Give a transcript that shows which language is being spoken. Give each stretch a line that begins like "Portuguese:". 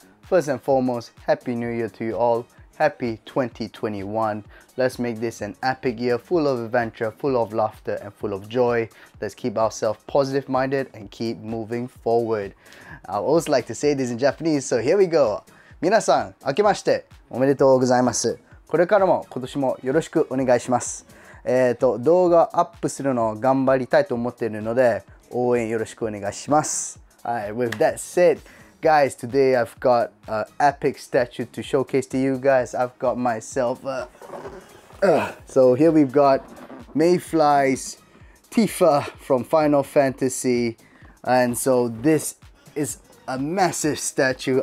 English: First and foremost, Happy New Year to you all. Happy 2021. Let's make this an epic year full of adventure, full of laughter, and full of joy. Let's keep ourselves positive minded and keep moving forward. I always like to say this in Japanese, so here we go.
Japanese: 皆さん、明けましておめでとうございます。これからも今年もよろしくお願いします。動画アップするのを頑張りたいと思っているので、応援よろしくお願いします。
English: Alright, with that said, guys, today I've got an epic statue to showcase to you guys. I've got myself a... So here we've got Mayflies Tifa from Final Fantasy. And so this is a massive statue.